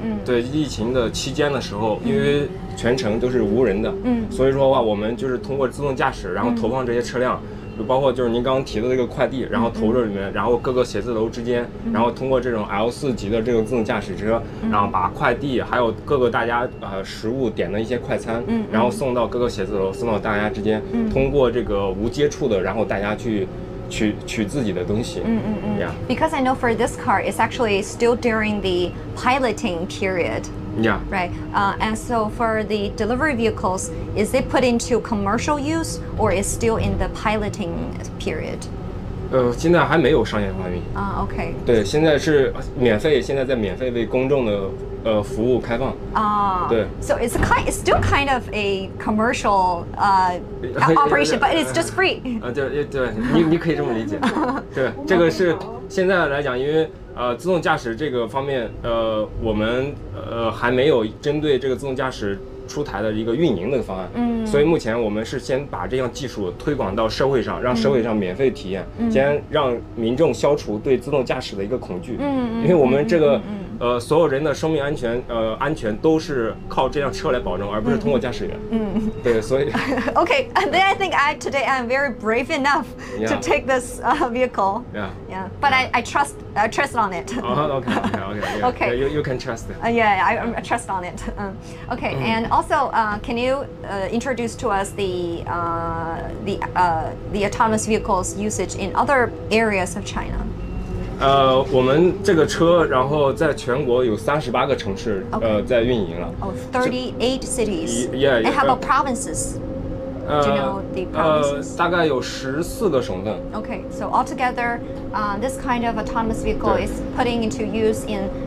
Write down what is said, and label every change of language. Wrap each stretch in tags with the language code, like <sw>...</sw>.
<zh>对疫情的期间的时候，因为全程都是无人的，所以说的话，我们就是通过自动驾驶，然后投放这些车辆，就包括就是您刚刚提的那个快递，然后投入里面，然后各个写字楼之间，然后通过这种 L 四级的这种自动驾驶车，然后把快递还有各个大家食物点的一些快餐，然后送到各个写字楼，送到大家之间，通过这个无接触的，然后大家去取自己的东西。</zh> <en>Yeah. Because I know for this car, it's actually still during the piloting period. Yeah. Right. And so for the delivery vehicles, is it put into commercial use or is still in the piloting period?</en> <zh>现在还没有商业化运营。</zh> <en>Okay.</en> <zh>对，现在是免费，现在在免费为公众的服务开放。对。</zh> <en>So it's it's still kind of a commercial operation, but it's just free.</en> <zh>对，你可以这么理解。对，这个是现在来讲，因为自动驾驶这个方面，我们还没有针对这个自动驾驶出台的一个运营的方案，所以目前我们是先把这项技术推广到社会上，让社会上免费体验，先让民众消除对自动驾驶的一个恐惧，因为我们这个所有人的生命安全都是靠这辆车来保证，而不是通过驾驶员。对，所以。</zh> <en>Okay, and then I think today I'm very brave enough to take this vehicle. Yeah. Yeah. But I trust on it. Okay. Yeah, you can trust. I trust on it. Okay. And also, can you introduce to us the autonomous vehicles usage in other areas of China?</en> <zh>我们这个车然后在全国有38个城市在运营了。</zh> <en>38 cities. Yeah. And how about provinces? Do you know the provinces?</en> <zh>大概有14个省份。</zh> <en>Okay, so altogether, this kind of autonomous vehicle is putting into use in</en>